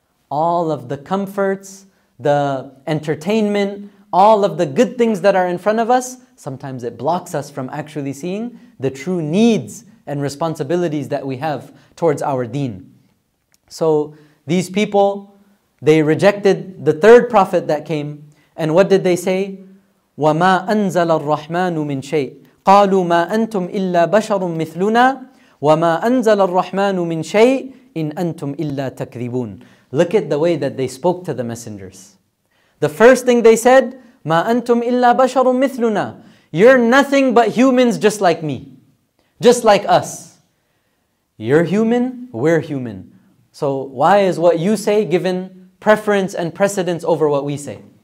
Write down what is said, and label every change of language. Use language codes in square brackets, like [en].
[en] All of the comforts, the entertainment, all of the good things that are in front of us, sometimes it blocks us from actually seeing the true needs and responsibilities that we have towards our deen. So these people, they rejected the third prophet that came. And what did they say? [ar] وَمَا أَنزَلَ الرَّحْمَنُ مِنْ شَيْءٍ قَالُوا مَا أَنْتُمْ إِلَّا بَشَرٌ مِثْلُنَا وَمَا أَنزَلَ الرَّحْمَنُ مِنْ شَيْءٍ إِنْ أَنْتُمْ إِلَّا تَكْذِبُونَ [en] Look at the way that they spoke to the messengers. The first thing they said, [ar] مَا أَنْتُمْ إِلَّا بَشَرٌ مِثْلُنَا [en] You're nothing but humans just like me. Just like us. You're human, we're human. So why is what you say given preference and precedence over what we say?